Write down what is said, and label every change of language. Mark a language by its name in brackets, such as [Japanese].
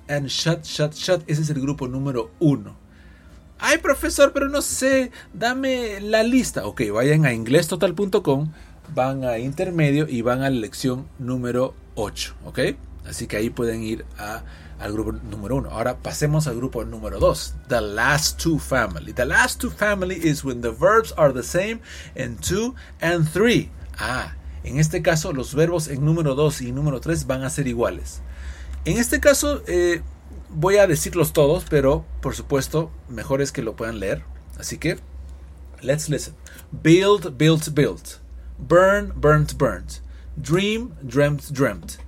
[English] And shut, shut, shut. [Spanish] Ese es el grupo número uno. Ay, profesor, pero no sé, dame la lista. Ok, vayan a inglestotal.com, van a intermedio y van a la lección número 8. Ok, así que ahí pueden ir al grupo número 1. Ahora pasemos al grupo número 2, [English] the last two family. The last two family is when the verbs are the same in 2 and 3. [Spanish] Ah, en este caso, los verbos en número 2 y número 3 van a ser iguales. En este caso, voy a decirlos todos, pero por supuesto, mejor es que lo puedan leer. Así que, [English] let's listen. Build, built, built. Burn, burnt, burnt. Dream, dreamt, dreamt.